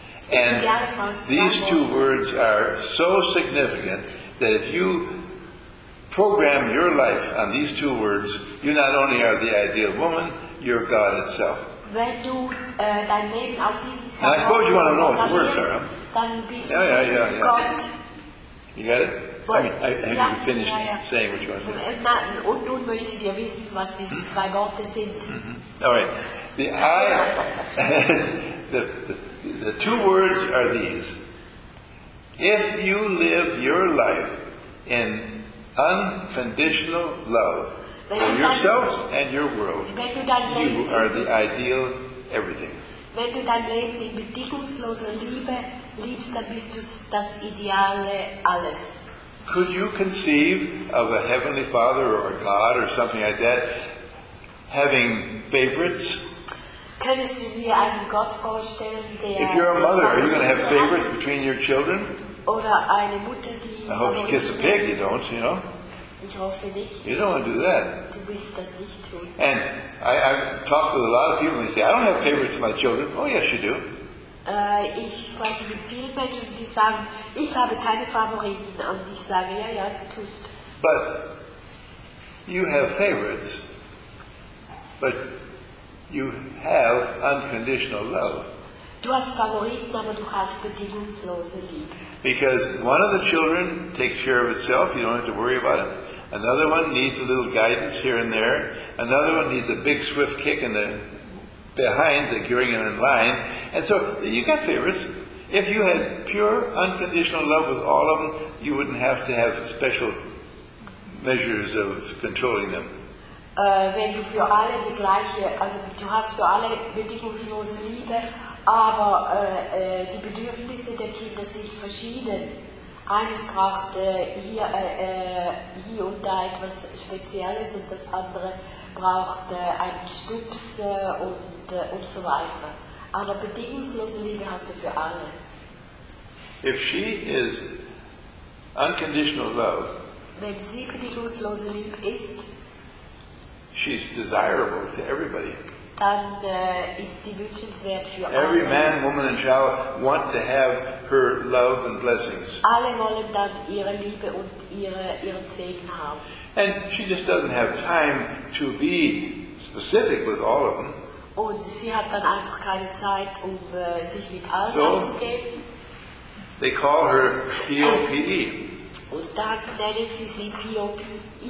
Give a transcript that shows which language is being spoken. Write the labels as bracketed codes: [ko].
[en] And these two words are so significant that if you program your life on these two words, you not only are the ideal woman, you're God itself. Now, I suppose you want to know what the words are. Yeah. You got it? I mean, have you finished saying what you want to say? [de] Und nun möchte ich dir wissen, was diese zwei Worte sind. [en] All right. The two words are these. If you live your life in unconditional love for yourself and your world, you are the ideal everything. [de] Wenn du dein Leben in bedingungsloser Liebe liebst, dann bist du das ideale alles. [en] Could you conceive of a heavenly father or a God or something like that having favorites? [de] Könntest du dir einen Gott vorstellen, der... [en] If you're a mother, are you going to have favorites between your children? [de] Oder eine Mutter, die... [en] I hope you kiss a pig, you don't, you know? [de] Ich hoffe nicht. [en] You don't want to do that. [de] Du willst das nicht tun. [en] And I've talked with a lot of people and they say, I don't have favorites with my children. Oh yes, you do. [de] Ich spreche mit vielen Menschen, die sagen, ich habe keine Favoriten. Und ich sage, ja, ja, du tust. [en] But you have favorites. But you have unconditional love. [de] Du hast Favoriten, aber du hast bedingungslose Liebe. [en] Because one of the children takes care of itself. You don't have to worry about it. Another one needs a little guidance here and there. Another one needs a big swift kick in the behind, the gearing and in line. And so you got favorites. If you had pure unconditional love with all of them, you wouldn't have to have special measures of controlling them. [de] wenn du für alle die gleiche, also du hast für alle bedingungslose Liebe, aber die Bedürfnisse der Kinder sind verschieden. Eines braucht hier und da etwas Spezielles und das andere braucht einen Stups und so weiter. Aber bedingungslose Liebe hast du für alle. [en] If she is unconditional love, [de] wenn sie bedingungslose Liebe ist, [en] she's desirable to everybody. [de] Dann ist sie wünschenswert für [en] every [de] alle. [en] Every man, woman and child want to have her love and blessings. [de] Alle wollen dann ihre Liebe und ihren Segen haben. [en] And she just doesn't have time to be specific with all of them. [de] Und sie hat dann einfach keine Zeit, um sich mit allen anzugeben. [en] They call her P.O.P.E. [de] Und dann nennen sie sie P.O.P.E.